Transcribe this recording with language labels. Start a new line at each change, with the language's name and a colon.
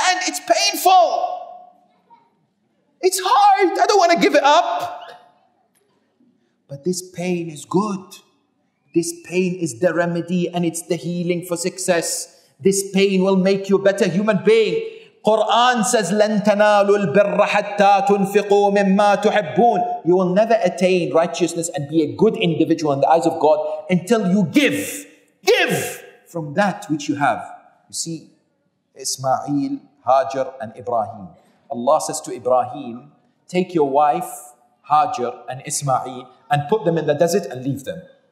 English: It's painful. It's hard. I don't want to give it up. But this pain is good. This pain is the remedy and it's the healing for success. This pain will make you a better human being. Quran says,
Arabic: لَن تَنَالُوا الْبِرَّ حَتَّى تُنْفِقُوا مِمَّا تُحِبُّونَ.
English: You will never attain righteousness and be a good individual in the eyes of God until you give. Give from that which you have. You see, Ismail, Hajar, and Ibrahim. Allah says to Ibrahim, take your wife, Hajar, and Ismail, and put them in the desert and leave them.